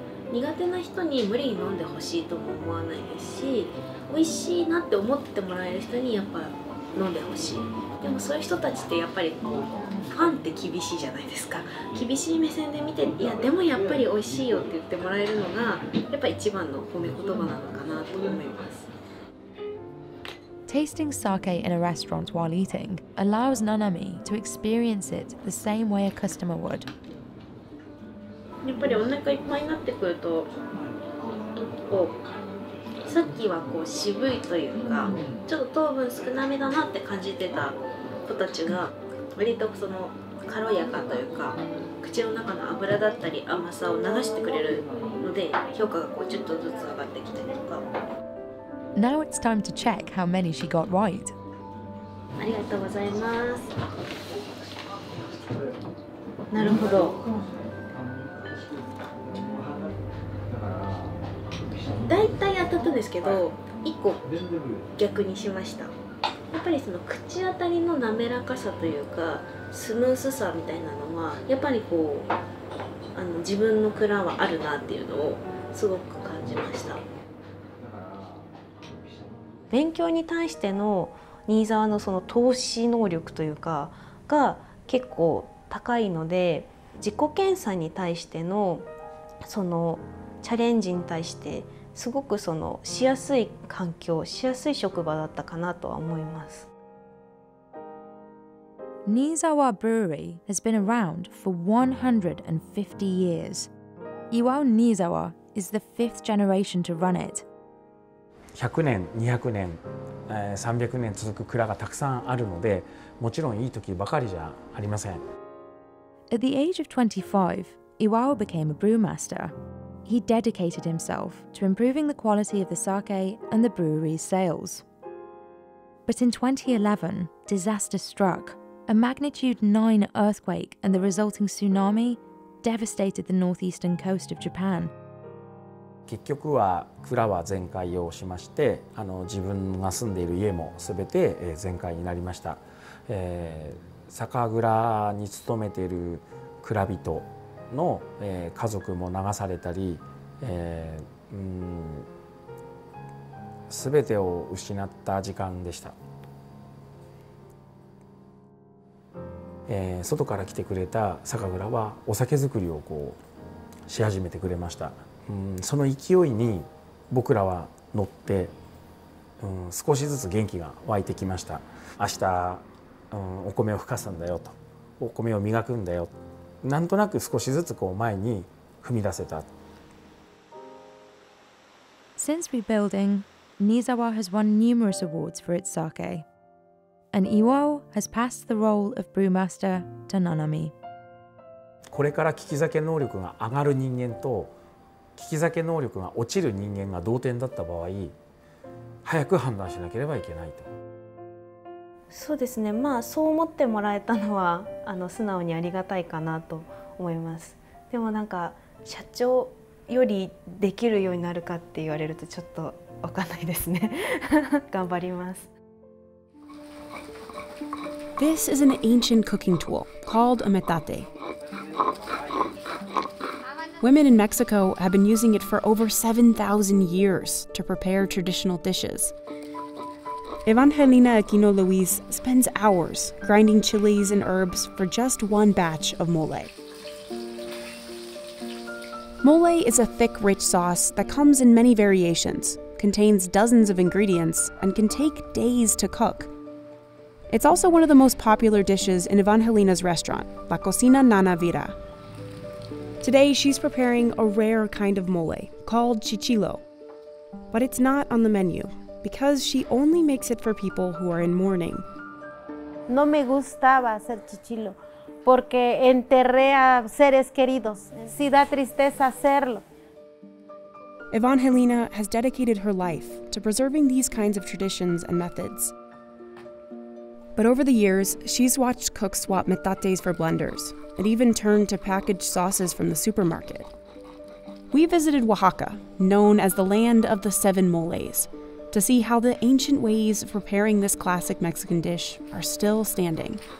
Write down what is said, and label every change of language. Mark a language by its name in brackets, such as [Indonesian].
[Japanese] 苦手な人に無理に飲んでほしいとも思わないですし、美味しいなって思ってもらえる人にやっぱ飲んでほしい。でもそういう人たちってやっぱりこうファンって厳しいじゃないですか。厳しい目線で見て、いやでもやっぱり美味しいよって言ってもらえるのがやっぱ一番の褒め言葉なのかなと思います。 [English] Tasting sake in a restaurant while eating allows Nanami to experience it the same way a customer would. [Japanese] やっぱりお腹いっぱいになってくると、こうさっきはこう渋いというか、ちょっと糖分少なめだなって感じてた子たちが、割とその軽やかというか、口の中の脂だったり甘さを流してくれるので、評価がこうちょっとずつ上がってきたりとか。 [English] Now it's time to check how many she got right. [Japanese] ありがとうございます。なるほど。だいたい当たったんですけど、1個逆にしました。やっぱりその口当たりの滑らかさというか、スムースさみたいなのは、やっぱりこう、自分の蔵はあるなっていうのをすごく感じました。勉強に対しての新沢のその投資能力というかが結構高いので、自己検査に対してのそのチャレンジに対してすごくそのしやすい環境、しやすい職場だったかなとは思います。 [English] 新沢 Brewery has been around for 150 years. 岩尾新沢 is the fifth generation to run it. [Japanese] 100年、200年、300年続く蔵がたくさんあるので、もちろんいい時ばかりじゃありません。 [English] At the age of 25, Iwao became a brewmaster. He dedicated himself to improving the quality of the sake and the brewery's sales. But in 2011, disaster struck. A magnitude 9 earthquake and the resulting tsunami devastated the northeastern coast of Japan. [Japanese] 結局は蔵は全壊をしまして、自分が住んでいる家も全て全壊になりました。酒蔵に勤めている蔵人の家族も流されたり、全てを失った時間でした。外から来てくれた酒蔵はお酒作りをこうし始めてくれました。その勢いに僕らは乗って、少しずつ元気が湧いてきました。明日、お米をふかすんだよと、お米を磨くんだよ、なんとなく少しずつこう前に踏み出せた。 [English] Since rebuilding, Nizawa has won numerous awards for its sake. And Iwao has passed the role of brewmaster to Nanami. [Japanese] これから利き酒能力が上がる人間と聞き酒能力が落ちる人間が同点だった場合、早く判断しなければいけないと。そうですね、まあそう思ってもらえたのは素直にありがたいかなと思います。でもなんか社長よりできるようになるかって言われるとちょっと分かんないですね。頑張ります。 [English] This is an ancient cooking tool called a metate. Women in Mexico have been using it for over 7,000 years to prepare traditional dishes. Evangelina Aquino Luis spends hours grinding chilies and herbs for just one batch of mole. Mole is a thick, rich sauce that comes in many variations, contains dozens of ingredients, and can take days to cook. It's also one of the most popular dishes in Evangelina's restaurant, La Cocina Nana Vira. Today, she's preparing a rare kind of mole called chichilo. But it's not on the menu because she only makes it for people who are in mourning. [Spanish] No me gustaba hacer chichilo porque enterré a seres queridos. Sí da tristeza hacerlo. [English] Evangelina has dedicated her life to preserving these kinds of traditions and methods. But over the years, she's watched cooks swap metates for blenders. And even turned to packaged sauces from the supermarket. We visited Oaxaca, known as the land of the seven moles, to see how the ancient ways of preparing this classic Mexican dish are still standing.